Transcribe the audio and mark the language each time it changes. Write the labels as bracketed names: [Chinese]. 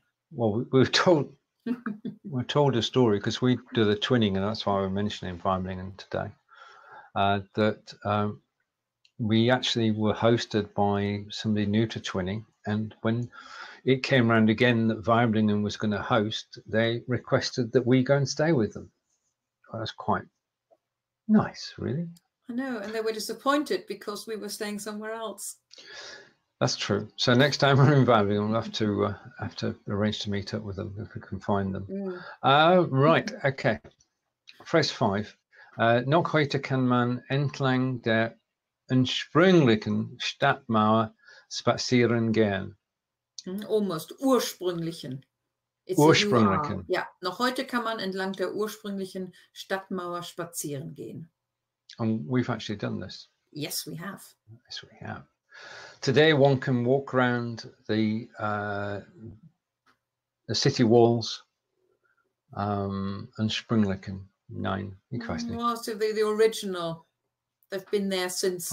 [English] Well, we're told a story, because we do the twinning, and that's why we're mentioning Waiblingen today, that we actually were hosted by somebody new to twinning, and when it came around again that Waiblingen was going to host, they requested that we go and stay with them. Well, that's quite nice, really. I know, and they were disappointed because we were staying somewhere else. That's true. So next time we're in Waiblingen, we'll have to arrange to meet up with them if we can find them. Yeah. Right, okay. Phrase 5. [German] Noch heute kann man entlang der ursprünglichen Stadtmauer spazieren gehen. [English] Almost ursprünglichen. It's ursprünglichen. [German] Ja, noch heute kann man entlang der ursprünglichen Stadtmauer spazieren gehen. [English] And we've actually done this. Yes, we have. Yes, we have. Today one can walk around the city walls, and Springlichen 9. You guys know. Well, so the original. They've been there since.